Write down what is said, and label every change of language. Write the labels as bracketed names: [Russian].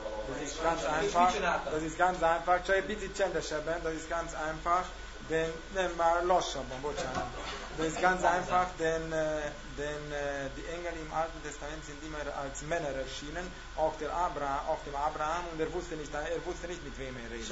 [German] Das ist ganz einfach. Cioè, [Hungarian] bitte csendesebben, [German] das ist ganz einfach. [Hungarian] Denn, nem, már lassabban, bocsánat. [German] Das ist ganz einfach, denn die Engel im Alten Testament sind immer als Männer erschienen, auch dem Abraham, und er wusste nicht, mit wem er redet.